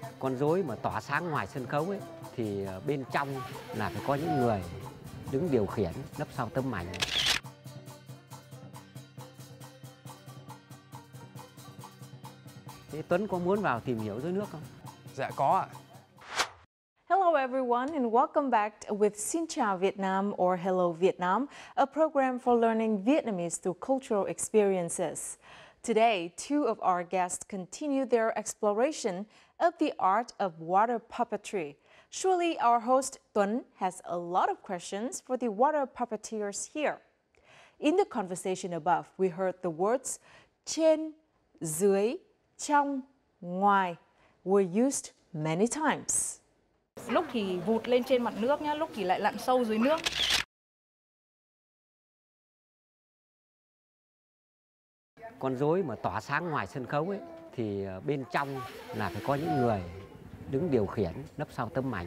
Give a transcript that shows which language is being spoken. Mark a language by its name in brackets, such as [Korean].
[Vietnamese] Con rối mà tỏa sáng ngoài sân khấu ấy, thì bên trong là phải có những người đứng điều khiển lấp sau tấm màn. Tuấn có muốn vào tìm hiểu dưới nước không? Dạ có ạ. [English] Hello everyone and welcome back with Xin Chào Vietnam or Hello Vietnam, a program for learning Vietnamese through cultural experiences. Today, two of our guests continue their exploration of the art of water puppetry. Surely our host Tuấn has a lot of questions for the water puppeteers here. In the conversation above, we heard the words [Vietnamese] trên, dưới, trong, ngoài [English] were used many times. [Vietnamese] Lúc thì vụt lên trên mặt nước nhá, lúc thì lại lặn sâu dưới nước. Con rối mà tỏa sáng ngoài sân khấu ấy thì bên trong là phải có những người đứng điều khiển lấp sau tấm màn.